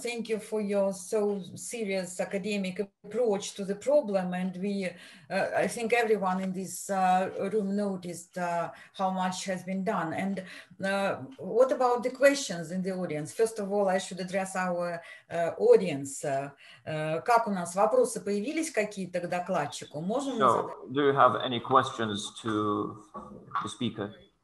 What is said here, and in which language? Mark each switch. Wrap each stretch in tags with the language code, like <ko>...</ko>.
<en>Thank you for your so serious academic approach to the problem. And we, I think everyone in this room noticed how much has been done. And what about the questions in the audience? First of all, I should address our audience.</en> <ru>Как у нас вопросы появились какие-то к докладчику? Можем задать?</ru> <en>Do you have any questions to the speaker?</en>